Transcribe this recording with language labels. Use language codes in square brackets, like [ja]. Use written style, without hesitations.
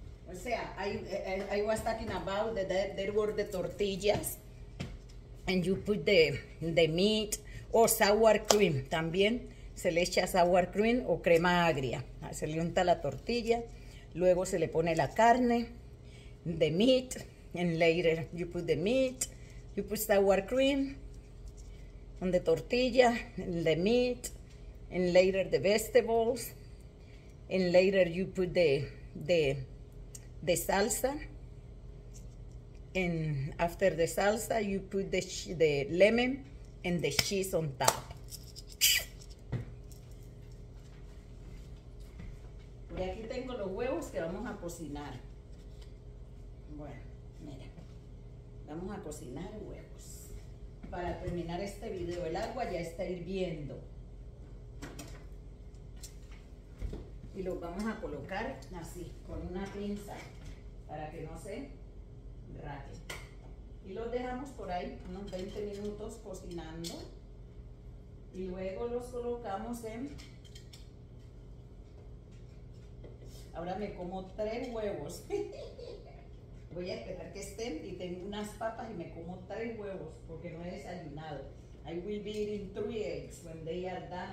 [es] O sea, [en] I was talking about there were the tortillas. And you put the meat or sour cream. [es] También se le echa [en] sour cream [es] o crema agria. Se le unta la tortilla. Luego se le pone la carne. [en] The meat. And later you put the meat. You put sour cream on the tortilla. And the meat. And later the vegetables. And later you put the salsa. And after the salsa, you put the lemon and the cheese on top. [es] Por aquí tengo los huevos que vamos a cocinar. Bueno, mira. Vamos a cocinar huevos. Para terminar este video, el agua ya está hirviendo. Y los vamos a colocar así, con una pinza, para que no se rápido. Y los dejamos por ahí unos 20 minutos cocinando y luego los colocamos en. Ahora me como tres huevos. Voy a esperar que estén y tengo unas papas y me como tres huevos porque no he desayunado. [en] I will be eating three eggs when they are done.